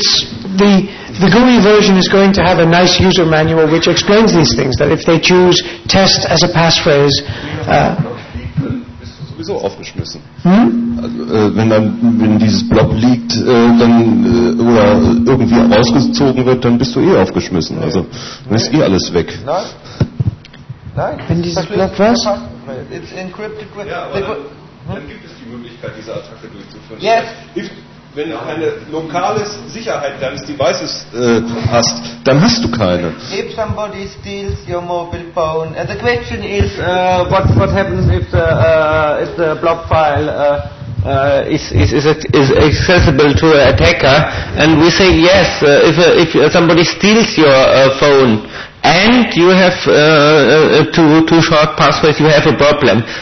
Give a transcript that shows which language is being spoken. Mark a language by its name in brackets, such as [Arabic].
[English] The GUI version is going to have a nice user manual which explains these things. That if they choose test as a passphrase. [German] So aufgeschmissen. Wenn dieses Blob liegt, dann oder irgendwie rausgezogen wird, dann bist du eh aufgeschmissen. Nee. Also dann ist eh alles weg. Nein. Wenn dieses Blob was? [English] It's encrypted. [German] Ja, aber dann gibt es die Möglichkeit, diese Attacke durchzuführen. [English] Yes. [German] Wenn du eine lokale Sicherheit deines Devices hast, dann hast du keine. [English] If somebody steals your mobile phone, the question is, what happens if the blob file is accessible to an attacker? And we say yes, if somebody steals your phone and you have two short passwords, you have a problem.